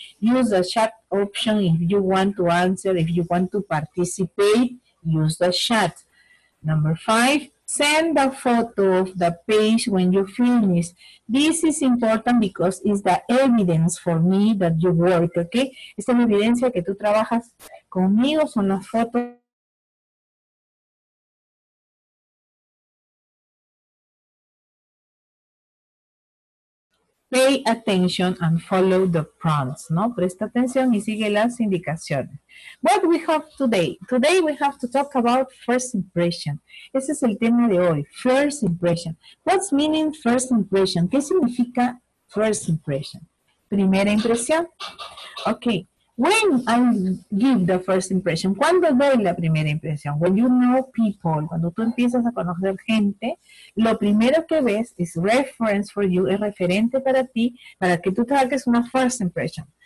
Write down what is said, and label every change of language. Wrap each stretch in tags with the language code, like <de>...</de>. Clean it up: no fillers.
<en>Use the chat option if you want to answer, if you want to participate, use the chat. Number 5, send a photo of the page when you finish. This is important because it's the evidence for me that you work, okay?</en> <es>Esta es la evidencia que tú trabajas conmigo, son las fotos.</es> <en>Pay attention and follow the prompts,</en> <es>¿no? Presta atención y sigue las indicaciones.</es> <en>What we have today? Today we have to talk about first impression. Ese es el tema de hoy, first impression. What's meaning first impression?</en> <es>¿Qué significa</es> <en>first impression?</en> <es>¿Primera impresión?</es> <en>Okay. When I give the first impression?</en> <es>¿Cuándo doy la primera impresión?</es> <en>When you know people,</en> <es>cuando tú empiezas a conocer gente, lo primero que ves es</es> <en>reference for you,</en> <es>es referente para ti, para que tú te hagas una first impression.</es>